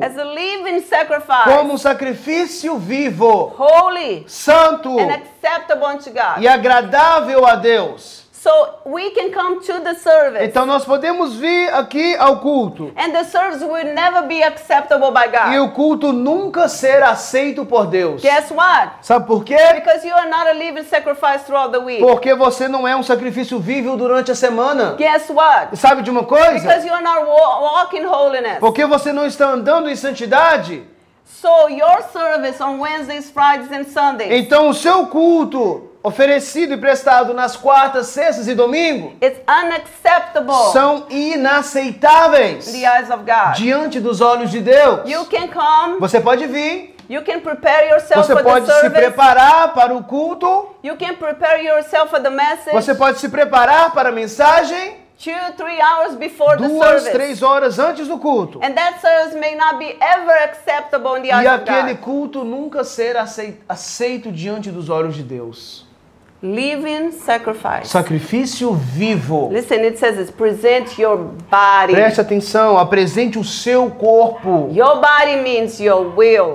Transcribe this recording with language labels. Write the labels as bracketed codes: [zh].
[en] As a living sacrifice. [pt] Como um sacrifício vivo. [en] Holy. [pt] Santo. [en] And acceptable unto God. [pt] E agradável a Deus. [en] So we can come to the service. [pt] Então nós podemos vir aqui ao culto. [en] And the service will never be acceptable by God. [pt] E o culto nunca será aceito por Deus. [en] Guess what? [pt] Sabe por quê? [en] Because you are not a living sacrifice throughout the week. [pt] Porque você não é um sacrifício vivo durante a semana. [en] Guess what? [pt] Sabe de uma coisa? [en] Because you are not walking holiness. [pt] Porque você não está andando em santidade. [en] So your service on Wednesdays, Fridays and Sundays. [pt] Então o seu culto oferecido e prestado nas quartas, sextas e domingos. [en] It's unacceptable. [pt] São inaceitáveis. [en] In the eyes of God. [pt] Diante dos olhos de Deus. [en] You can come. [pt] Você pode vir. [en] You can prepare yourself [pt] você [en] for [pt] pode [en] the service. [pt] Se preparar para o culto. [en] You can prepare yourself for the message. [pt] Você pode se preparar para a mensagem. [en] Two, three hours before [pt] duas, [en] the service. [pt] Três horas antes do culto. [en] And that service may not be ever acceptable in the eyes [pt] e aquele culto nunca ser aceito diante dos olhos de Deus. [en] Living sacrifice. [pt] Sacrifício vivo. [en] Listen, it says it's present your body. [pt] Preste atenção, apresente o seu corpo. [en] Your body means your will.